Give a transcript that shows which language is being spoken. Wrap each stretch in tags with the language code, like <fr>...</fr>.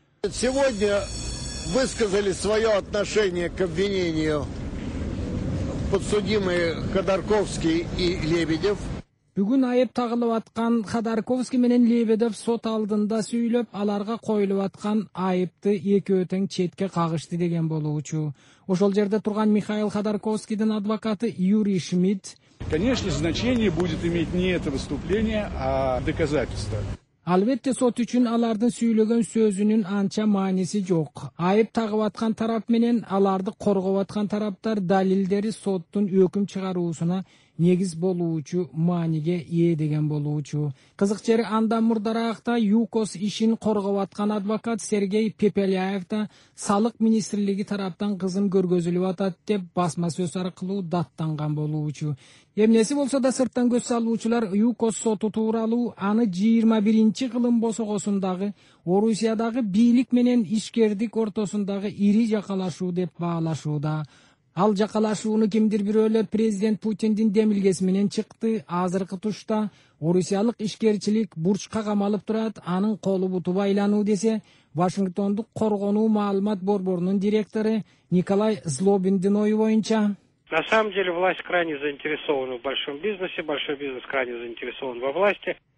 <ru>Сегодня высказали свое отношение к обвинению подсудимые Ходорковский и Лебедев.</ru> <ky>Бүгүн айып тагылып аткан Ходорковский менен Лебедев сот алдында сүйлөп, аларга коюлуп аткан айыпты экөө тең четке кагышты деген болуучу. Ошол жерде турган Михаил Ходорковскийдин адвокаты Юрий Шмидт:</ky> <ru>Конечно, значение будет иметь не это выступление, а доказательства.</ru> <ky>Албетте сот үчүн алардын сүйлөгөн сөзүнүн анча мааниси жок. Айып тагып аткан тарап менен аларды коргоп аткан тараптар далилдери соттун өкүм чыгаруусуна негиз болуучу мааниге ээ деген болуучу. Кызык жери, андан мурдараакта ЮКОС ишин коргоп аткан адвокат Сергей Пепеляев да салык министрлиги тараптан кызым көргөзүлүп атат деп басма сөз аркылуу даттанган болуучу. Эмнеси болсо да сырттан көз салуучулар ЮКОС соту тууралуу аны 21-й кылым босогосундагы Орусиядагы бийлик менен ишкердик ортосундагы ири жакалашуу деп баалашууда. Ал жакалашууну кимдир бирөөлөр президент Путиндин демилгеси менен чыкты. Азыркы тушта орусиялык ишкерчилик бурчка камалып турат, анын колу буту байлануу десе Вашингтондук коргонуу маалымат борборунун директору Николай Злобиндин ою боюнча:</ky> <ru>На самом деле власть крайне заинтересована в большом бизнесе, большой бизнес крайне заинтересован во власти.</ru>